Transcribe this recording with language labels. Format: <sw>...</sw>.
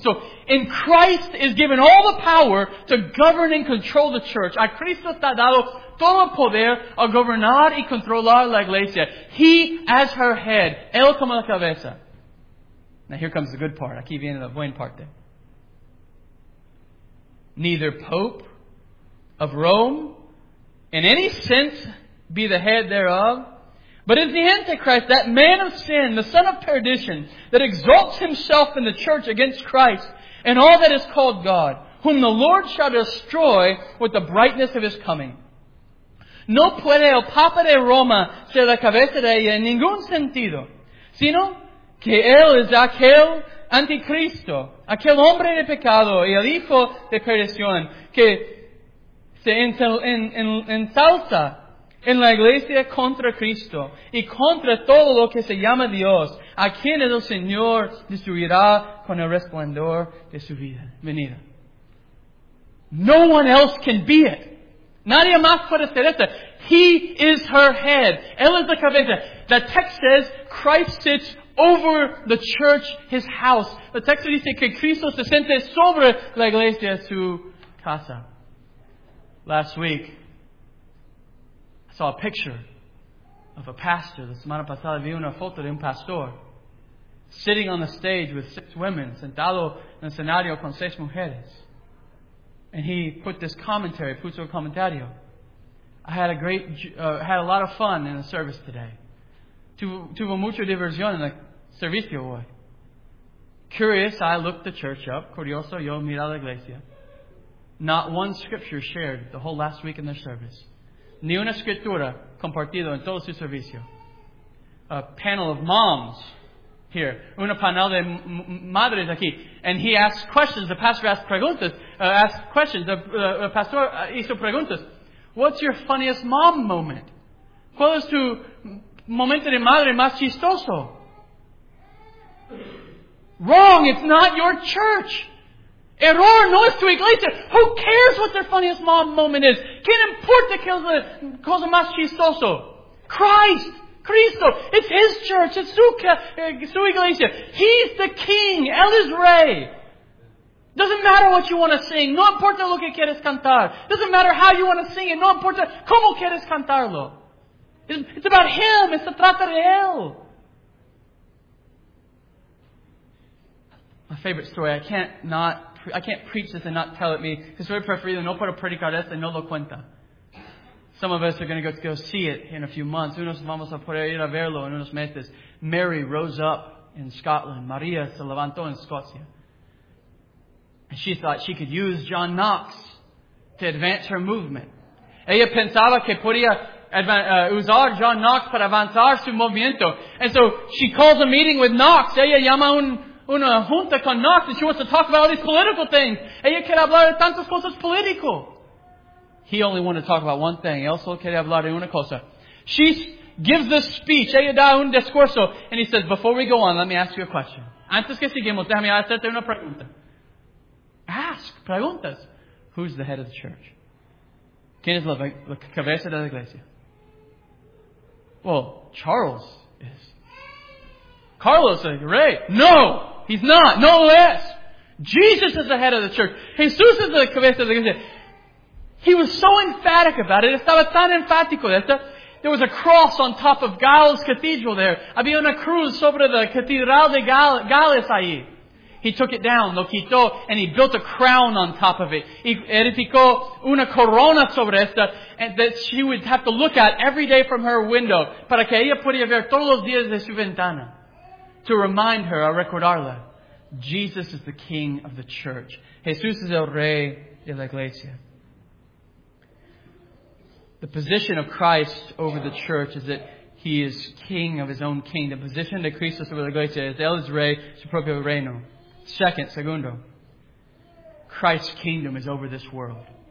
<en>So, in Christ is given all the power to govern and control the church.</en> <es>A Cristo está dado todo el poder a gobernar y controlar la iglesia.</es> <en>He as her head,</en> <es>él como la cabeza.</es> <en>Now here comes the good part.</en> <es>Aquí viene la buena parte.</es> <en>Neither Pope of Rome in any sense be the head thereof, but is the Antichrist, that man of sin, the son of perdition, that exalts himself in the church against Christ and all that is called God, whom the Lord shall destroy with the brightness of his coming.</en> <es>No puede el Papa de Roma ser la cabeza de ella en ningún sentido, sino que él es aquel anticristo, aquel hombre de pecado y el hijo de perdición que se ensalza en la iglesia contra Cristo y contra todo lo que se llama Dios, a quien el Señor destruirá con el resplandor de su vida. Venida.</es> <en>No one else can be it.</en> <es>Nadie más puede ser esta.</es> <en>He is her head.</en> <es>Él es la cabeza.</es> <en>The text says Christ sits over the church, his house. The text</en> <es>dice que Cristo se siente sobre la iglesia, su casa.</es> <en>Last week, I saw a picture of a pastor.</en> <es>La semana pasada vi una foto de un pastor</es> <en>sitting on the stage with six women,</en> <es>sentado en el escenario con seis mujeres.</es> <en>And he put this commentary,</en> <es>puso el comentario.</es> <en>I had a great, had a lot of fun in the service today.</en> <es>Tuvo mucha diversión en la servicio hoy.</es> <en>Curious, I looked the church up.</en> <es>Curioso, yo miré a la iglesia.</es> <en>Not one scripture shared the whole last week in their service.</en> <es>Ni una escritura compartida en todo su servicio.</es> <en>A panel of moms here.</en> <es>Una panel de madres aquí.</es> <en>And he asked questions. The pastor asked preguntas. The pastor</en> <es>hizo preguntas.</es> <en>What's your funniest mom moment?</en> <es>¿Cuál es tu momento de madre más chistoso?</es> <en>Wrong, it's not your church.</en> <es>Error, no es tu iglesia.</es> <en>Who cares what their funniest mom moment is?</en> <es>¿Quién importa que es la cosa más chistoso?</es> <en>Christ, Cristo, it's his church, it's</en> <es>su iglesia.</es> <en>He's the king,</en> <es>él es rey.</es> <en>Doesn't matter what you want to sing,</en> <es>no importa lo que quieres cantar.</es> <en>Doesn't matter how you want to sing it,</en> <es>no importa cómo quieres cantarlo.</es> <en>It's about him, it's the</en> <es>trata de él.</es> <en>My favorite story. I can't preach this and not tell it.</en> <es>Me historia preferida. No puedo predicar esto y no lo cuenta.</es> <en>Some of us are going to go see it in a few months.</en> <es>Unos vamos a poder ir a verlo en unos meses.</es> <en>Mary rose up in Scotland.</en> <es>María se levantó en Escocia.</es> <en>And she thought she could use John Knox to advance her movement.</en> <es>Ella pensaba que podía usar John Knox para avanzar su movimiento.</es> <en>And so she calls a meeting with Knox.</en> <es>Ella llama una junta con</es> <en>Knox and she wants to talk about all these political things.</en> <es>Ella quiere hablar de tantas cosas políticas.</es> <en>He only wanted to talk about one thing.</en> <es>Él solo quiere hablar de una cosa.</es> <en>She gives this speech.</en> <es>Ella da un discurso.</es> <en>And he says, before we go on, let me ask you a question.</en> <es>Antes que sigamos, déjame hacerte una pregunta.</es> <en>Ask preguntas. Who's the head of the church?</en> <es>¿Quién es la cabeza de la iglesia?</es> <en>Well, Charles is. Carlos said, right. No, he's not. No less. Jesus is the head of the church. Jesus is the</en> <es>cabeza de la iglesia.</es> <en>He was so emphatic about it.</en> <es>Estaba tan enfático.</es> <en>There was a cross on top of Gales Cathedral there.</en> <es>Había una cruz sobre la catedral de Gales ahí.</es> <en>He took it down,</en> <es>lo quitó,</es> <en>and he built a crown on top of it.</en> <es>Y edificó una corona sobre esta,</es> <en>and that she would have to look at every day from her window,</en> <es>para que ella podía ver todos los días de su ventana,</es> <en>to remind her,</en> <es>a recordarla,</es> <en>Jesus is the King of the Church.</en> <es>Jesús es el Rey de la Iglesia.</es> <en>The position of Christ over the Church is that He is King of His own King. The position</en> <es>de Cristo sobre la Iglesia es Él es Rey, su propio reino.</es> <en>Segundo, Christ's kingdom is over this world.</en>